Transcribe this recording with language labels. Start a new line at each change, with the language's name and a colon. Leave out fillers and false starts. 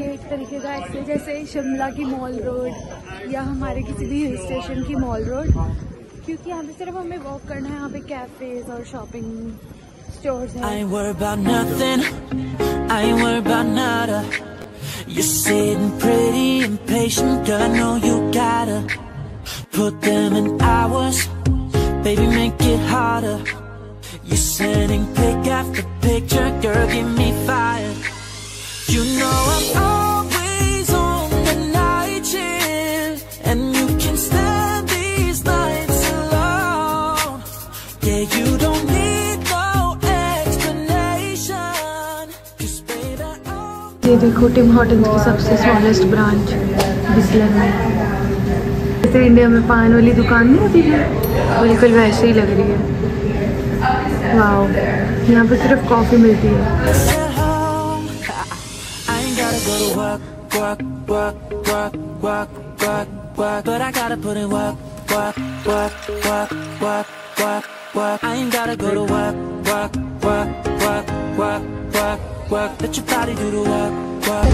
Hindi: तरीके का ऐसे जैसे शिमला की मॉल रोड या हमारे किसी भी हिल स्टेशन की मॉल रोड, क्योंकि यहाँ पे सिर्फ हमें वॉक करना है। यहाँ पे कैफेज और शॉपिंग स्टोर्स हैं।
English: I ain't worried about nothing, I ain't worried about nada. You're sitting pretty impatient, girl, I know you gotta put them in hours, baby, make it harder. You're sending pic after picture, girl, give me fire. You know I'm always on the night shift, and you can stand these nights alone. Yeah, you don't need no explanation. Just pay the old.
Hindi: ये देखो Tim Hortons की सबसे smallest branch Whistler में। जैसे India में पान वाली दुकान नहीं होती है, बिल्कुल वैसे ही लग रही है। वाओ, यहाँ पे सिर्फ कॉफी मिलती है।
English: work, work, work, work, work, work. But I gotta put in work, work, work, work, work, work, work. I ain't gotta go to work, work, work, work, work, work, work. Let your body do the work, work,